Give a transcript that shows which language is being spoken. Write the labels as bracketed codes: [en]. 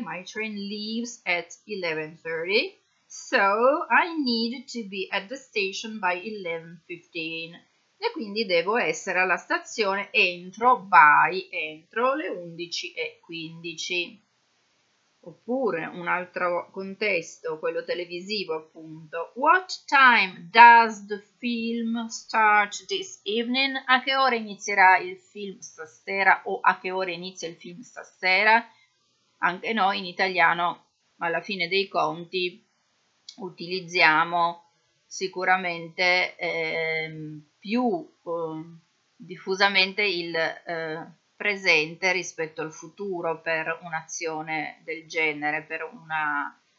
[en] My train leaves at 11:30, so I need to be at the station by 11:15. [it] E quindi devo essere alla stazione entro le 11:15. Oppure un altro contesto, quello televisivo appunto. [en] What time does the film start this evening? [it] A che ora inizierà il film stasera, o a che ora inizia il film stasera? Anche noi in italiano, alla fine dei conti, utilizziamo sicuramente più diffusamente il presente rispetto al futuro per un'azione del genere, per una